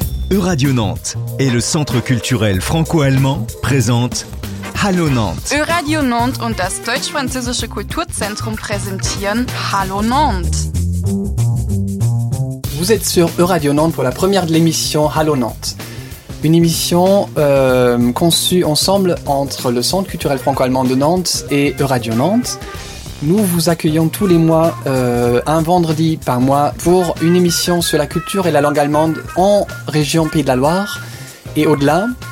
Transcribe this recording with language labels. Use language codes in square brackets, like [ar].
[fr] Euradio Nantes et le Centre culturel franco-allemand présentent Hallo Nantes. [de] Euradio Nantes und das deutsch-französische Kulturzentrum präsentieren Hallo Nantes. [fr] Vous êtes sur Euradio Nantes pour la première de l'émission Hallo Nantes. Une émission conçue ensemble entre le Centre culturel franco-allemand de Nantes et Euradio Nantes. Nous vous accueillons tous les mois, un vendredi par mois, pour une émission sur la culture et la langue allemande en région Pays de la Loire et au-delà.